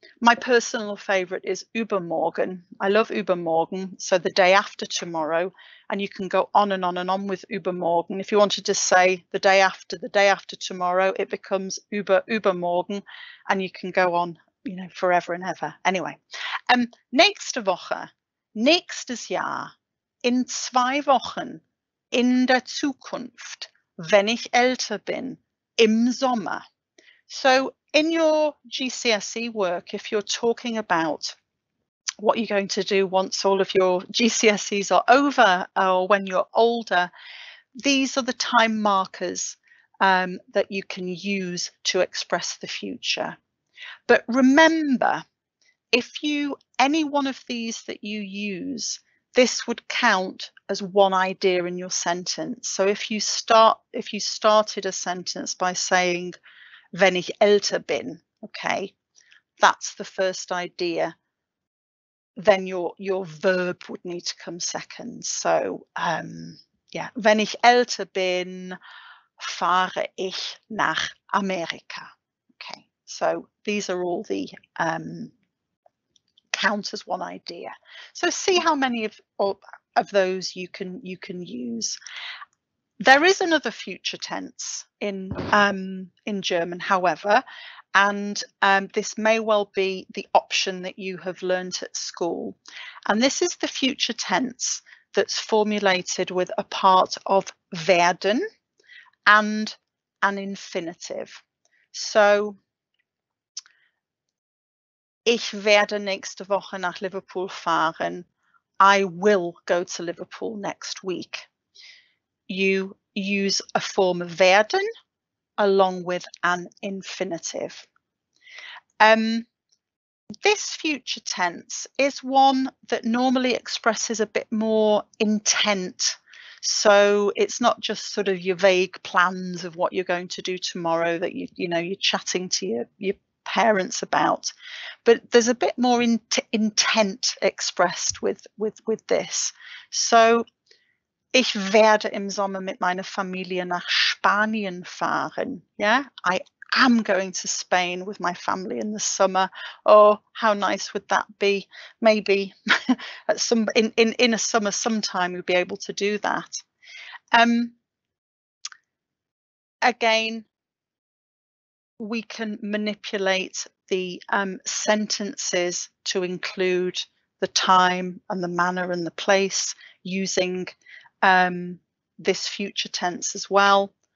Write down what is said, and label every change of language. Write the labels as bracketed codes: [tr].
[en] My personal favorite is übermorgen. I love übermorgen, so the day after tomorrow, and you can go on and on and on with übermorgen. If you wanted to say the day after tomorrow, it becomes übermorgen, and you can go on, you know, forever and ever. [de] Anyway, nächste Woche, nächstes Jahr, in zwei Wochen, in der Zukunft, wenn ich älter bin, im Sommer. [en] So in your GCSE work, if you're talking about what you're going to do once all of your GCSEs are over, or when you're older, these are the time markers that you can use to express the future. But remember, any one of these that you use, this would count as one idea in your sentence. So if you started a sentence by saying, [de] wenn ich älter bin, [en] okay, that's the first idea, then your verb would need to come second. [de] So wenn ich älter bin, fahre ich nach Amerika. [en] Okay, so these are all the count as one idea. So see how many of those you can use. There is another future tense in German, however, and this may well be the option that you have learnt at school. And this is the future tense that's formulated with a part of werden and an infinitive. [de] So ich werde nächste Woche nach Liverpool fahren. [en] I will go to Liverpool next week. You use a form of werden along with an infinitive. This future tense is one that normally expresses a bit more intent. So it's not just sort of your vague plans of what you're going to do tomorrow that you're chatting to your parents about, but there's a bit more intent expressed with this. [de] So ich werde im Sommer mit meiner Familie nach Spanien fahren. [en] Yeah, I am going to Spain with my family in the summer. Oh, how nice would that be? Maybe at some in a summer sometime you'll be able to do that. Again, we can manipulate the sentences to include the time and the manner and the place using this future tense as well.